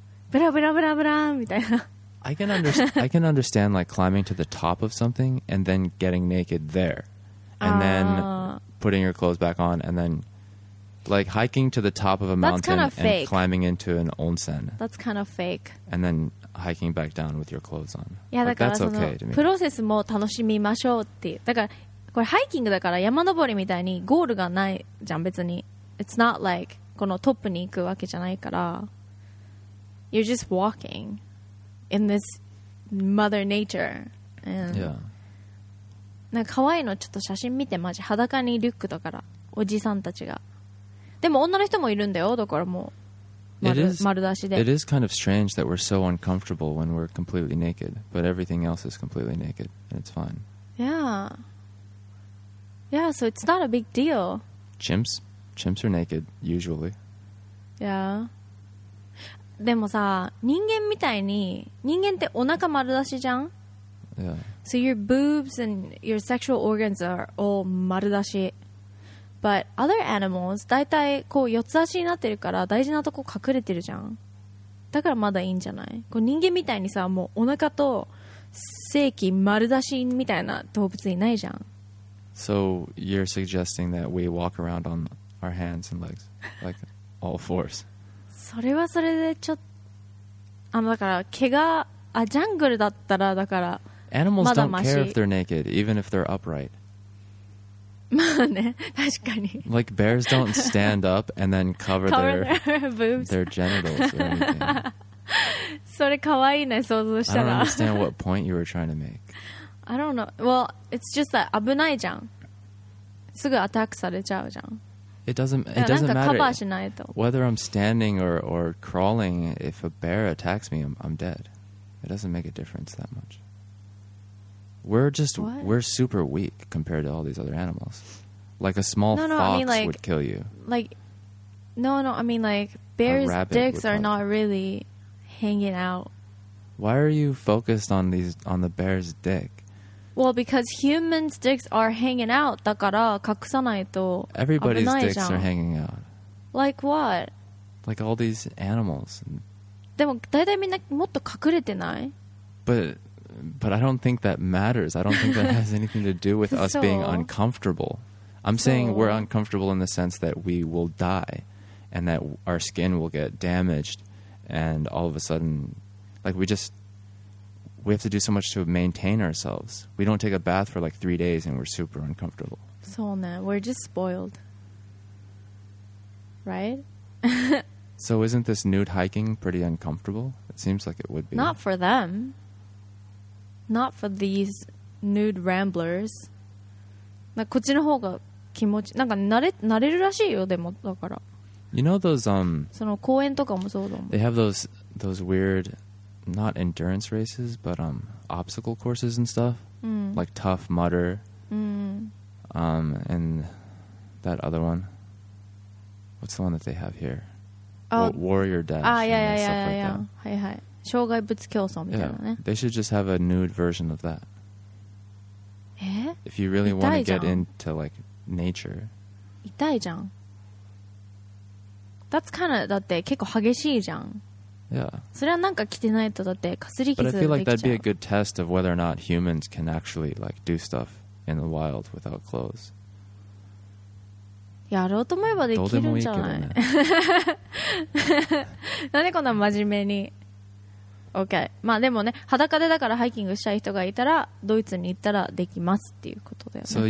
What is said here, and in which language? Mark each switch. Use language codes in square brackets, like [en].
[ja] ブラブラブラブラみたいな。 [en] I can understand like climbing to the top of something and then getting naked there. And then putting your clothes back on and then like hiking to the top of a mountain and climbing into an onsen. That's kind of fake. And then hiking back down with your clothes on. Yeah, like, that's okay to me. [ja] プロセスも楽しみましょうっていう。だからこれハイキングだから山登りみたいにゴールがないじゃん別に。 [en] It's not like [ja] このトップに行くわけじゃないから。 [en] You're just walking. In this mother nature. Yeah. [ja] なんか可愛いのちょっと写真見てマジ裸にリュックだからおじさんたちが。でも女の人もいるんだよだからもう丸出しで。 [en] It is kind of strange that we're so uncomfortable when we're completely naked, but everything else is completely naked and it's fine. Yeah. Yeah, so it's not a big deal. Chimps are naked usually. Yeah. [ja] でもさ、人間みたいに、人間ってお腹丸出しじゃん。 [en] Yeah. So your boobs and your sexual organs are all 丸出し。 But other animals, [ja] 大体こう四つ足になってるから大事なとこ隠れてるじゃん。だからまだいいんじゃない？こう人間みたいにさ、もうお腹と性器丸出しみたいな動物いないじゃん。 [en] So you're suggesting that we walk around on our hands and legs, like all fours. [ja] それはそれでちょっとだから毛がジャングルだったらだからまだマシ。 [en] Animals don't care if they're naked, even if they're upright. [ja] まあね、確かに。 [en] Like bears don't stand up and then cover their genitals or anything. [ja] それ可愛いね、想像したら。 [en] I don't understand what point you were trying to make. I don't know. Well, it's just that [ja] 危ないじゃん。すぐアタックされちゃうじゃん。 [en] It doesn't matter whether I'm standing or crawling. If a bear attacks me, I'm dead. It doesn't make a difference that much. We're super weak compared to all these other animals. Like a small fox I mean, like, would kill you. Like, no, I mean like bears' dicks are not really hanging out. Why are you focused on these on the bear's dick? Well, because humans' dicks are hanging out, [ja] だから隠さないと危ないじゃん。 [en] Everybody's dicks are hanging out. Like what? Like all these animals. [ja] でも大体みんなもっと隠れてない? [en] But I don't think that matters. I don't think that has anything to do with us being uncomfortable. I'm saying we're uncomfortable in the sense that we will die and that our skin will get damaged and all of a sudden, like we just... We have to do so much to maintain ourselves. We don't take a bath for like 3 days and we're super uncomfortable. So, ne, we're just spoiled. Right? So, isn't this nude hiking pretty uncomfortable? It seems like it would be. Not for them. Not for these nude ramblers. [ja] なんかこっちの方が気持ち、なんか慣れるらしいよ、でも、だから。 [en] You know those, [ja] その公園とかもそうだもん。 [en] They have those weird... Not endurance races, but obstacle courses and stuff, like Tough Mudder, and that other one. What's the one that they have here? Oh, Warrior Dash. Ah, yeah. Hi. [ja] 障害物競争みたいなね。 [en] Yeah. They should just have a nude version of that. Eh? If you really want to get into like nature. [ja] 痛いじゃん。 [en] That's kind of [ja] だって結構激しいじゃん。 [en] Yeah. [ja] それはなんか着てないとだってかすり傷できちゃう。 [en] But I feel like that'd be a good test of whether or not humans can actually like do stuff in the wild without clothes. [ja] やろうと思えばできるんじゃない？なんでこんな真面目に ？OK。まあでもね、裸でだからハイキングしたい人がいたらドイツに行ったらできますっていうことだよね。